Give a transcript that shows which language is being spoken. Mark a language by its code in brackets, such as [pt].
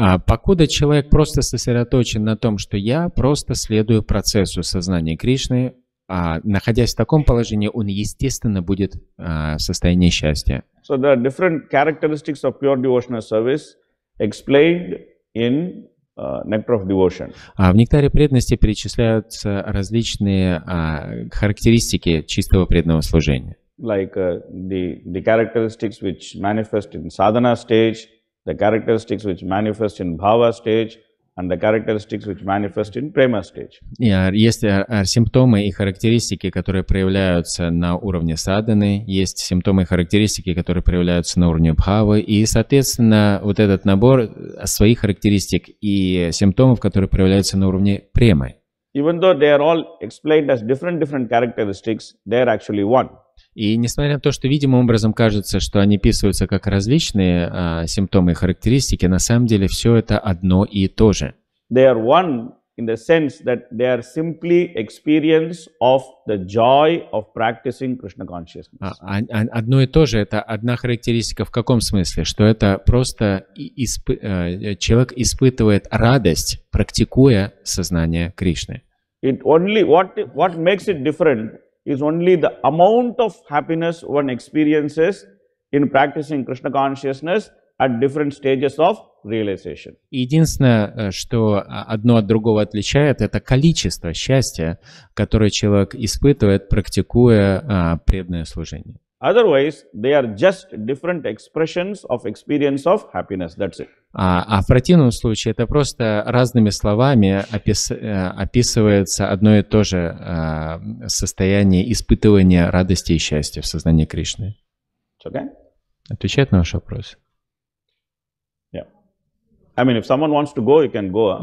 [ru] Покуда человек просто сосредоточен на том, что я просто следую процессу сознания Кришны, находясь в таком положении, он естественно будет в состоянии счастья. [en] So there are different characteristics of pure devotional service explained in Nectar of Devotion. [ru] В нектаре преданности перечисляются различные характеристики чистого преданного служения. [en] Like the characteristics which manifest in sadhana stage, the characteristics which manifest in bhava stage, and the characteristics which manifest in prema stage. [ru] И есть симптомы и характеристики, которые проявляются на уровне садханы, есть симптомы и характеристики, которые проявляются на уровне бхавы, и, соответственно, вот этот набор своих характеристик и симптомов, которые проявляются на уровне премы. [en] Even though they are all explained as different characteristics, they are actually one. [ru] И несмотря на то, что видимым образом кажется, что они описываются как различные симптомы и характеристики, на самом деле все это одно и то же. [en] They are one in the sense that they are simply experience of the joy of practicing Krishna consciousness. [ru] Одно и то же — это одна характеристика в каком смысле? Что это просто человек испытывает радость, практикуя сознание Кришны. [en] It only what makes it different is only the amount of happiness one experiences in practicing Krishna consciousness at different stages of realization. [ru] Единственное, что одно от другого отличает, это количество счастья, которое человек испытывает, практикуя преданное служение. [en] Otherwise, they are just different expressions of experience of happiness. That's it. [ru] А в противном случае это просто разными словами описывается одно и то же состояние испытывания радости и счастья в сознании Кришны. [en] Okay. [ru] Отвечает на ваш вопрос. [en] Yeah. I mean, if someone wants to go, you can go.